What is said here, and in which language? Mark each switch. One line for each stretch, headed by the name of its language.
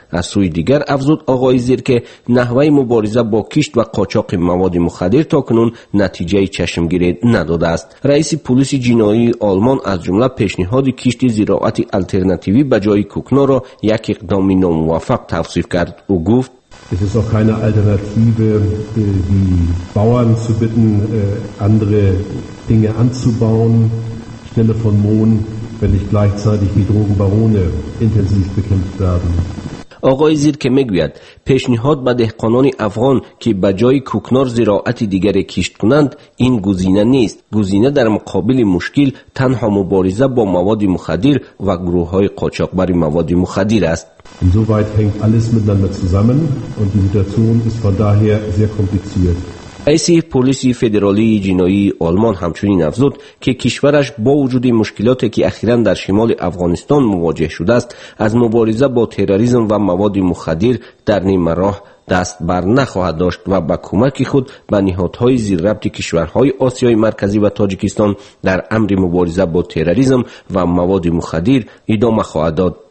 Persian: از سوی دیگر افزود آقای زیر که نحوه مبارزه با کشت و قاچاق مواد مخدر تا کنون نتیجه چشمگیری نداده است. رئیس پلیس جنایی آلمان از جمله پیشنهاد کشت زراعت الترناتیوی به جای کوکنا را یک اقدام ناموفق توصیف کرد. او گفت
German: Es ist auch keine Alternative, die Bauern zu bitten, andere Dinge anzubauen, Stelle von Mohn, wenn nicht gleichzeitig die Drogenbarone intensiv bekämpft werden.
Persian: آقای زیر که میگوید پیشنهاد به دهقانان افغان که به جای کوکنار زراعت دیگر کشت کنند این گزینه نیست. گزینه در مقابل مشکل تنها مبارزه با مواد مخدر و گروه های قاچاقبر مواد مخدر است.
German: Insoweit hängt alles miteinander zusammen und die Situation ist von daher sehr kompliziert.
Persian: رئیس پلیس فدرالی جنایی آلمان همچنین افزود که کشورش با وجود مشکلاتی که اخیراً در شمال افغانستان مواجه شده است از مبارزه با تروریسم و مواد مخدر در نیمه راه دست بر نخواهد داشت و با کمک خود به نهادهای زیر ربط کشورهای آسیای مرکزی و تاجیکستان در امر مبارزه با تروریسم و مواد مخدر ادامه خواهد داد.